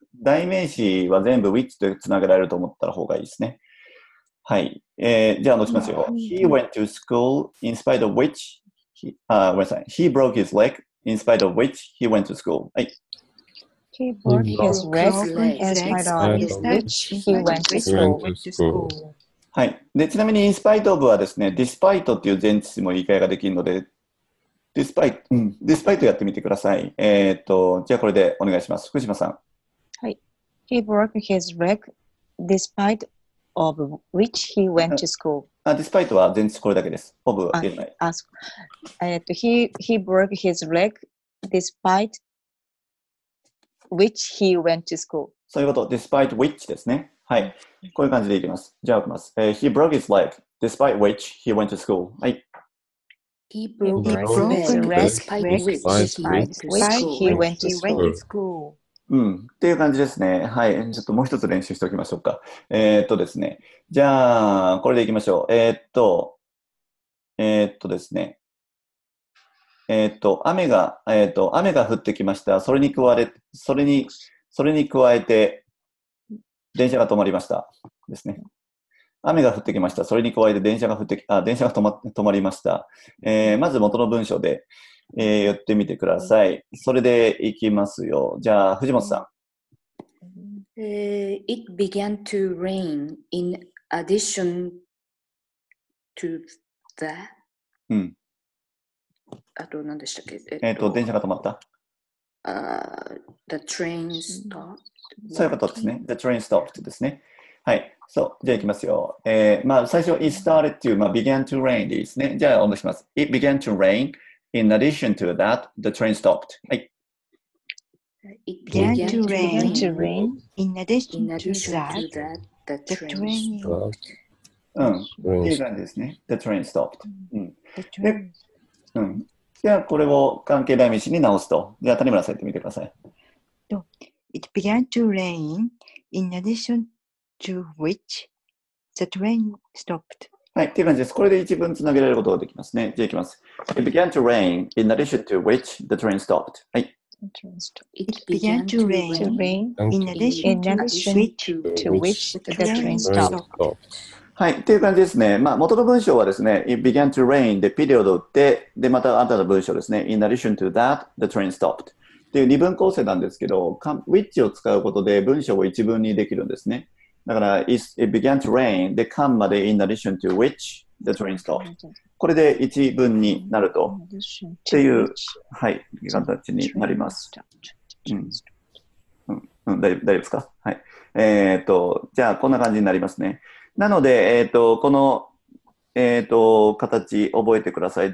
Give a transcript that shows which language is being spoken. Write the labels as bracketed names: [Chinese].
[Japanese] 代名詞は全部 which とつなげられると思った方がいいですね。はい。じゃあ、どうしますよ。 [English] He went to school in spite of which he broke his leg in spite of which he went to school. [Japanese] はい。 [English] He broke his leg in spite of which he went to school. [Japanese] はい。で、ちなみに、in spite of はですね、despite っていう前置詞も言い換えができるので、despite やってみてください。じゃあ、これでお願いします。福島さん。 [English] はい。He broke his leg despite of which he went to school. [Japanese] Despite は前日これだけです。of は言えない。 [English] He broke his leg despite which he went to school. [Japanese] そういうこと。despite which ですね。はい。こういう感じでいきます。じゃあ、いきます。 [English] He broke his leg despite which he went to school. [Japanese] はい。 [English] He broke his leg despite which he went to school. [Japanese] うん、っていう感じですね。はい。ちょっともう一つ練習しておきましょうか。ですね。じゃあ、これでいきましょう。ですね。雨が、雨が降ってきました。それに加えて、電車が止まりました。ですね。雨が降ってきました。それに加えて電車が止まりました。まず元の文章で、言ってみてください。それでいきますよ。じゃあ、藤本さん。 [English] It began to rain in addition to the... [Japanese] うん。あと何でしたっけ、電車が止まった。 [English] The train stopped. [Japanese] そういうことですね。 [English] The train stopped [Japanese] ですね。はい。そう。じゃあいきますよ。まあ、最初、 [English] It started to, began to rain [Japanese] でいいですね。じゃあ、お戻します。 [English] It began to rain. In addition to that, the train stopped. はい。 It began to rain. In addition to that, the train stopped. [Japanese] うん。っていう感じですね。 [English] The train stopped. [Japanese] うん。じゃあ、これを関係代名詞に直すと。じゃあ、谷村さん、やってみてください。 [English] It began to rain. In addition to which, the train stopped. [Japanese] はい、っていう感じです。これで一文つなげられることができますね。じゃあいきます。 [English] It began to rain, in addition to which the train stopped. [Japanese] はい。 [English] It began to rain, in addition to which the train stopped. [Japanese] はい、っていう感じですね。まあ、元の文章はですね、It began to rain, でピリオドを打って、で、また新たな文章ですね。 [English] In addition to that, the train stopped. [Japanese] っていう二文構成なんですけど、which を使うことで文章を一文にできるんですね。 [English] だから、It began to rain, the comma で in addition to which the train stopped. [Japanese] これで一文になると、っていう、はい、形になります。うん。うん、大丈夫ですか？はい。じゃあ、こんな感じになりますね。なので、この、形覚えてください。